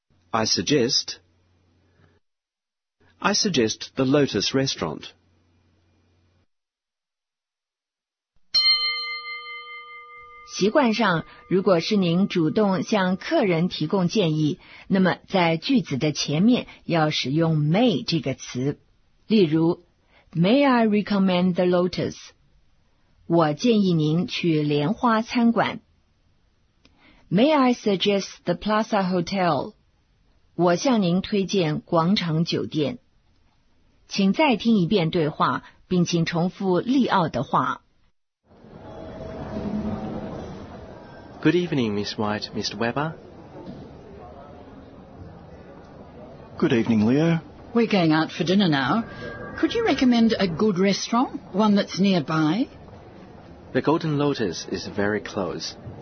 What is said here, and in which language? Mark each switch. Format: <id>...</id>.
<en>I suggest the Lotus Restaurant.</en> <zh>习惯上，如果是您主动向客人提供建议，那么在句子的前面要使用 may 这个词。</zh> <en>例如 ,May I recommend the Lotus?</en> <zh>我建议您去莲花餐馆。</zh> <en>May I suggest the Plaza Hotel?</en> <zh>我向您推荐广场酒店。请再听一遍对话，并请重复利奥的话。</zh> <en>Good evening, Miss White, Mr. Weber. Good evening, Leo. We're going out for dinner now. Could you recommend a good restaurant, one that's nearby? The Golden Lotus is very close.</en>